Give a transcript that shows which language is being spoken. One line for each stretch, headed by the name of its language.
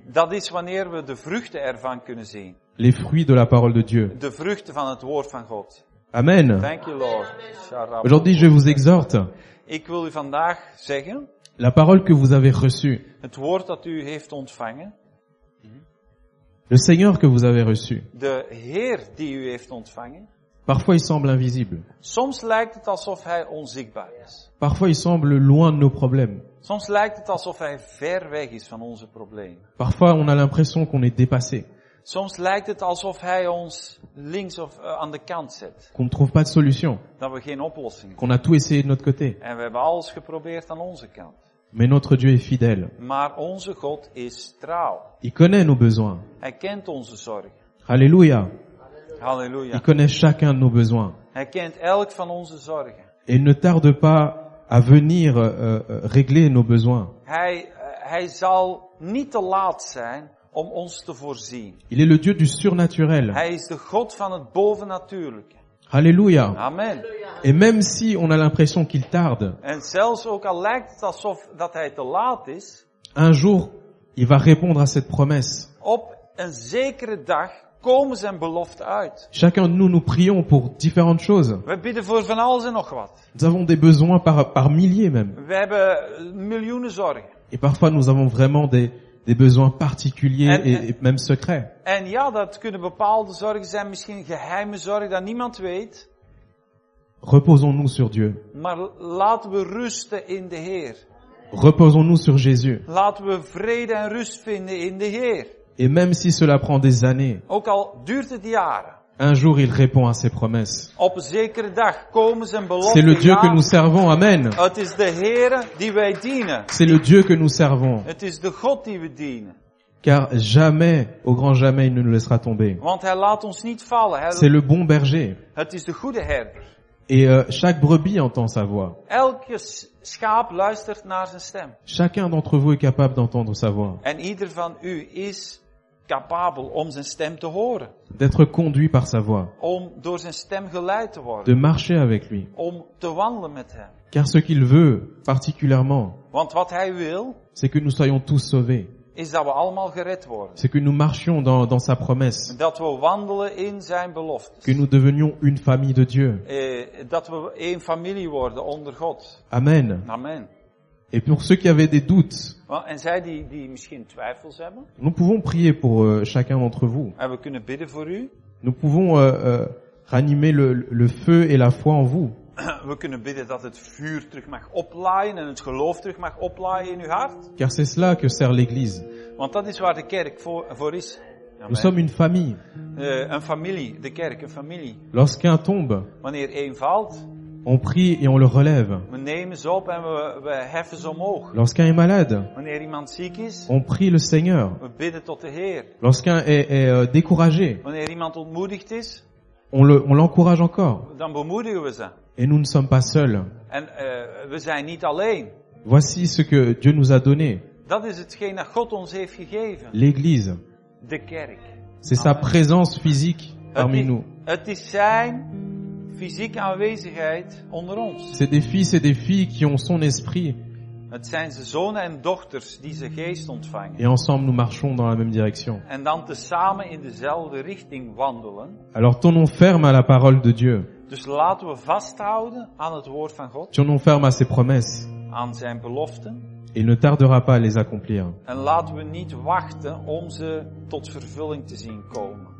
Dutch: Dat is wanneer we de vruchten ervan kunnen zien.
French: Les fruits de la parole de Dieu.
Dutch: De vruchten van het woord van God. Amen.
English: Thank you, Lord.
French: Aujourd'hui, je vous exhorte.
Dutch: Ik wil u vandaag zeggen.
French: La parole que vous avez reçue.
Dutch: Het woord dat u heeft ontvangen.
French: Le Seigneur que vous avez reçu.
Dutch: De Heer die u heeft ontvangen.
French: Parfois il semble invisible.
Dutch: Soms lijkt het alsof hij onzichtbaar is.
French: Parfois il semble loin de nos problèmes.
Dutch: Soms lijkt het alsof hij ver weg is van onze problemen.
French: Parfois on a l'impression qu'on est dépassé.
Dutch: Soms lijkt het alsof hij ons links of aan de kant zet.
French: Qu'on ne trouve pas de solution.
Dutch: Dat we geen oplossing.
French: Qu'on a tout essayé de notre côté.
Dutch: En we hebben alles geprobeerd aan onze kant.
French: Mais notre Dieu est fidèle.
Dutch: Maar onze God is trouw.
French: Il connaît nos besoins.
Dutch: Hij kent onze zorgen.
French: Alléluia. Alléluia. Il connaît chacun de nos besoins.
Dutch: Hij kent elk van onze zorgen.
French: Et ne tarde pas à venir régler nos besoins.
Dutch: Hij zal niet te laat zijn om ons te voorzien.
French: Il est le Dieu du surnaturel.
Dutch: Hij is de God van het bovennatuurlijke.
French: Alléluia. Amen. Et même si on a l'impression qu'il tarde.
Dutch: En zelfs ook al lijkt het alsof dat hij te laat is.
French: Un jour, il va répondre à cette promesse.
Dutch: Op een zekere dag komen zijn beloften uit.
French: Chacun de nous prions pour différentes choses.
Dutch: We bidden voor van alles en nog wat.
French: Nous avons des besoins par milliers même.
Dutch: We hebben miljoenen zorgen.
French: Et parfois nous avons vraiment des besoins particuliers et même secrets.
Dutch: En ja, dat kunnen bepaalde zorgen zijn, misschien geheime zorgen dat niemand weet.
French: Reposons-nous sur Dieu.
Dutch: Maar laten we rusten in de Heer.
French: Reposons-nous sur Jésus.
Dutch: Laten we vrede en rust vinden in de Heer.
French: Et même si cela prend des années.
Dutch: Ook al duurt het jaren.
French: Un jour il répond à ses promesses.
Dutch: Op een zekere dag komen zijn beloften.
French: C'est le Dieu que nous servons, amen.
Dutch: Het is de Heer die wij dienen.
French: C'est le Dieu que nous servons.
Dutch: Het is de God die we dienen.
French: car jamais, au grand jamais, il ne nous laissera tomber.
Dutch: Want hij laat ons niet vallen.
French: C'est le bon berger.
Dutch: Het is de goede herder.
French: Et chaque brebis entend sa voix.
Dutch: Elke schaap luistert naar zijn stem.
French: Chacun d'entre vous est capable d'entendre sa voix.
Dutch: En ieder van u is capable om zijn stem te horen.
French: D'être conduit par sa voix.
Dutch: Om door zijn stem geleid te worden.
French: De marcher avec lui.
Dutch: Om te wandelen met hem.
French: Car ce qu'il veut particulièrement.
Dutch: Want wat hij wil.
French: C'est que nous soyons tous sauvés.
Dutch: Is dat we allemaal gered worden.
French: C'est que nous marchions dans sa promesse.
Dutch: Dat we wandelen in zijn beloftes.
French: Que nous devenions une famille de Dieu.
Dutch: Et dat we één familie worden onder God. Amen. Amen.
French: Et pour ceux qui avaient des doutes.
Dutch: En zij die misschien twijfels hebben.
French: Nous pouvons prier pour chacun d'entre vous.
Dutch: En we kunnen bidden voor u.
French: Nous pouvons ranimer le feu et la foi en vous.
Dutch: We kunnen bidden dat het vuur terug mag oplaaien en het geloof terug mag oplaaien in uw hart.
French: Car c'est cela que sert l'église.
Dutch: Want dat is waar de kerk voor is. Amen.
French: Nous sommes une famille.
Dutch: Een familie, de kerk, een familie.
French: Lorsqu'un tombe,
Dutch: wanneer één valt,
French: on prie et on le relève.
Dutch: We nemen ze op en we heffen ze omhoog.
French: Lorsqu'un est malade,
Dutch: wanneer iemand ziek is,
French: on prie le Seigneur.
Dutch: We bidden tot de Heer.
French: Lorsqu'un est découragé,
Dutch: wanneer iemand ontmoedigd is,
French: on l'encourage encore.
Dutch: Dan bemoedigen we ze.
French: Et nous ne sommes pas seuls.
Dutch: En, we zijn niet alleen.
French: Voici ce que Dieu nous a donné.
Dutch: Dat is hetgeen dat God ons heeft gegeven.
French: L'église.
Dutch: De kerk.
French: C'est Amen. Sa présence physique parmi nous.
Dutch: Het is zijn fysieke aanwezigheid onder ons.
French: C'est des fils et des filles qui ont son esprit.
Dutch: Het zijn zijn zonen en dochters die zijn geest ontvangen.
French: Et ensemble nous marchons dans la même direction.
Dutch: En dan tezamen in dezelfde richting wandelen.
French: Alors tenons ferme à la parole de Dieu.
Dutch: Dus laten we vasthouden aan het woord van God.
French: Tenons ferme à ses promesses.
Dutch: Aan zijn beloften.
French: Et il ne tardera pas à les accomplir.
Dutch: En laten we niet wachten om ze tot vervulling te zien komen.